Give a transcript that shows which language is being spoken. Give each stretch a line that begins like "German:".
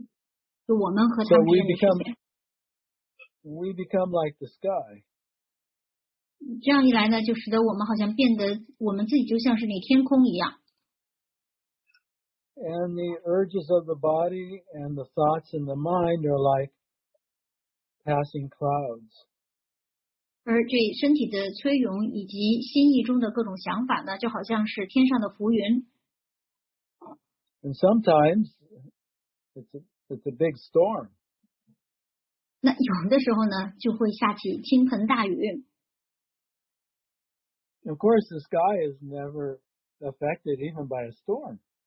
Chinese: 那所以说在大部分的时候，虽然我们依然还有同样的这个心意和躯体，但是呢，我们已经能够看出他们之间的区别，就我们和他们之间的区别。
English: We become like the sky.
Chinese: 这样一来呢，就使得我们好像变得我们自己就像是那天空一样。
English: And the urges of the body and the thoughts in the mind are like passing clouds.
Chinese: 而这身体的催涌以及心意中的各种想法呢，就好像是天上的浮云。
English: And sometimes it's a big storm.
Chinese: 那有的时候呢，就会下起倾盆大雨。
English: Of course, the sky is never affected even by a storm.